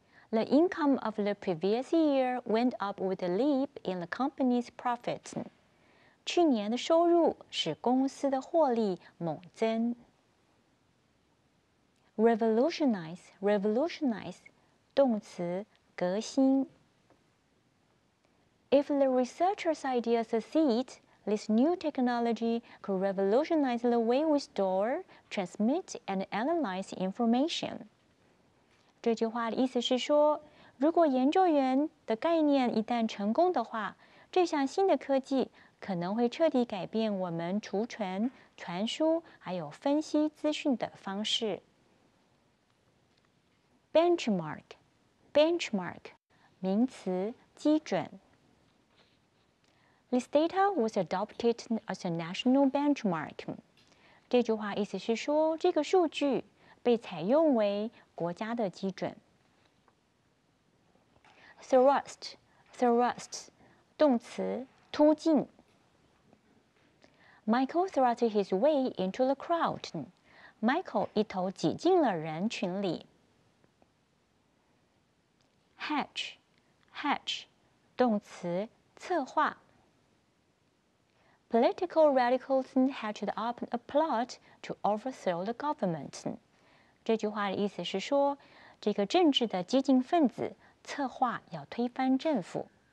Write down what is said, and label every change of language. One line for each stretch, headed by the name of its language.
English: The income of the previous year went up with a leap in the company's profits.
Chinese: 去年的收入使公司的获利猛增。 Revolutionize, 动词，革新。
English: If the researcher's idea succeeds,This new technology could revolutionize the way we store, transmit, and analyze information.
Chinese: 这句话的意思是说，如果研究员的概念一旦成功的话，这项新的科技可能会彻底改变我们储存、传输还有分析资讯的方式。 Benchmark, 名词，基准。
English: This data was adopted as a national benchmark.
Chinese: 这句话意思是说，这个数据被采用为国家的基准。 Thrust, 动词，突进。
English: Michael thrust his way into the crowd. Michael
Chinese: 一头挤进了人群里。 Hatch, 动词，策划。
English: Political radicals hatched up a plot to overthrow the government.
Chinese: 这句话的意思是说，这个政治的激进分子策划要推翻政府。